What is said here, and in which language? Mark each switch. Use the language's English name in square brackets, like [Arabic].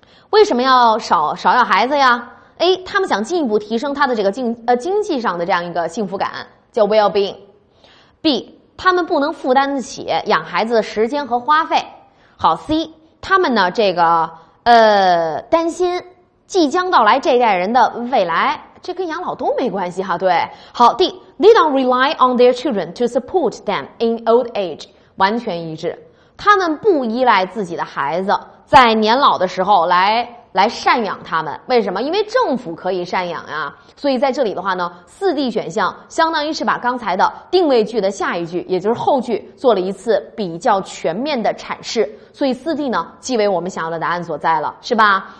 [Chinese] 为什么要少要孩子呀？A， 他们想进一步提升他的这个经济上的这样一个幸福感，叫 well-being。 B， 他们不能负担得起养孩子的时间和花费。好 ，C， 他们呢这个担心即将到来这一代人的未来，这跟养老都没关系哈。对，好 [English] ，D， they don't rely on their children to support them in old age， [Chinese] 完全一致，他们不依赖自己的孩子。在年老的时候来赡养他们，为什么？因为政府可以赡养啊，所以在这里的话呢，四 D 选项相当于是把刚才的定位句的下一句，也就是后句，做了一次比较全面的阐释，所以四 D 呢，即为我们想要的答案所在了，是吧？